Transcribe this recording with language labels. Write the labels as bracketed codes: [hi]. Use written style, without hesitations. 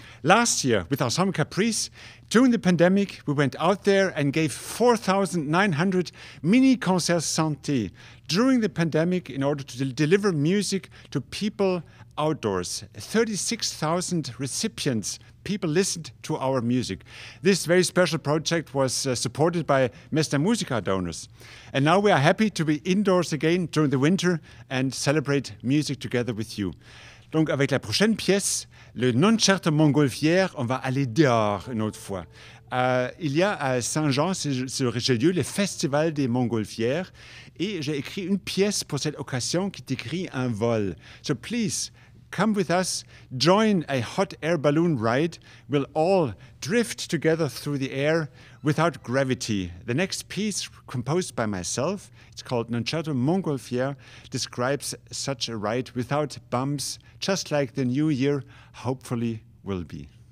[en] Last year, with Ensemble Caprice, during the pandemic, we went out there and gave 4,900 mini concerts santé during the pandemic in order to deliver music to people outdoors. 36,000 recipients, people listened to our music. This very special project was supported by Mesta Musica donors. And now we are happy to be indoors again during the winter and celebrate music together with you. [fr] Donc avec la prochaine pièce, le Nonchalante Montgolfière, on va aller dehors une autre fois. Il y a à Saint-Jean, sur Richelieu, le Festival des Montgolfières, et j'ai écrit une pièce pour cette occasion qui décrit un vol. [en] So please, come with us, join a hot air balloon ride. We'll all drift together through the air without gravity. The next piece, composed by myself, it's called Nonchalante Montgolfière, describes such a ride without bumps, just like the new year hopefully will be.